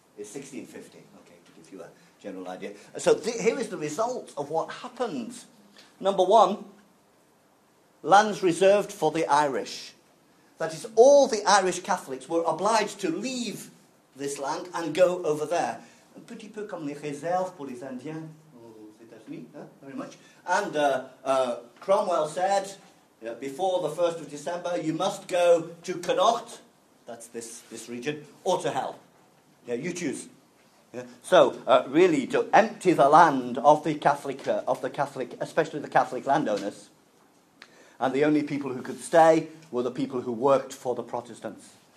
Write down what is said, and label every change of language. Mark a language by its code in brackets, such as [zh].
[en] It's 1650, okay, to give you a general idea. So here is the result of what happened. Number one, lands reserved for the Irish. That is, all the Irish Catholics were obliged to leave this land and go over there. [fr] un petit peu comme les réserves pour les Indiens aux États-Unis, hein, [en] very much. And Cromwell said, before the 1st of December, you must go to Connaught, that's this region, or to hell. Yeah, you choose. So, really, to empty the land of the Catholic, especially the Catholic landowners, and the only people who could stay were the people who worked for the Protestants.